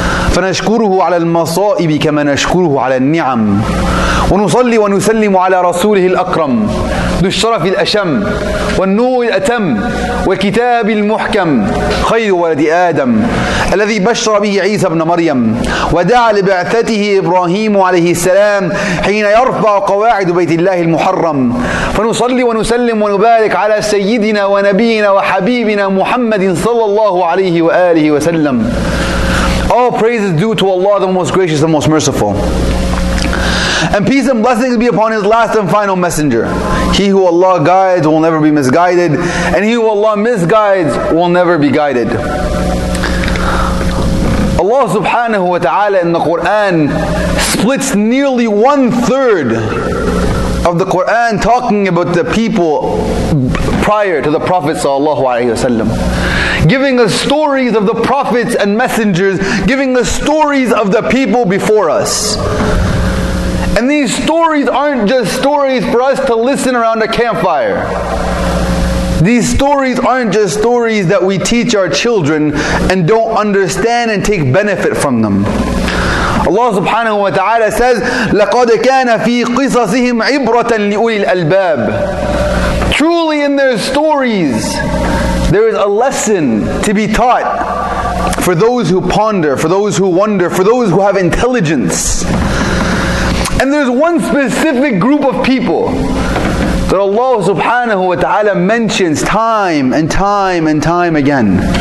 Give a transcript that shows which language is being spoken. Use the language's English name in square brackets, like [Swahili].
[Arabic] فنشكره على المصائب كما نشكره على النعم ونصلي ونسلم على رسوله الأكرم ذو الشرف الأشم والنور الأتم وكتاب المحكم خير ولد آدم الذي بشر به عيسى بن مريم ودعا لبعثته إبراهيم عليه السلام حين يرفع قواعد بيت الله المحرم فنصلي ونسلم ونبارك على سيدنا ونبينا وحبيبنا محمد صلى الله عليه وآله وسلم. [English] All praise is due to Allah, the most gracious and most merciful. And peace and blessings be upon His last and final messenger. He who Allah guides will never be misguided, and he who Allah misguides will never be guided. Allah subhanahu wa ta'ala in the Qur'an splits nearly one third of the Qur'an talking about the people prior to the Prophet sallallahu alayhi wasallam, giving us stories of the prophets and messengers, giving us stories of the people before us. And these stories aren't just stories for us to listen around a campfire. These stories aren't just stories that we teach our children and don't understand and take benefit from them. Allah subhanahu wa ta'ala says, [Arabic] لَقَدْ كَانَ فِي قِصَصِهِمْ عِبْرَةً لِأُولِي الْأَلْبَابِ. [English] Truly in their stories, there is a lesson to be taught for those who ponder, for those who wonder, for those who have intelligence. And there's one specific group of people that Allah subhanahu wa ta'ala mentions time and time and time again.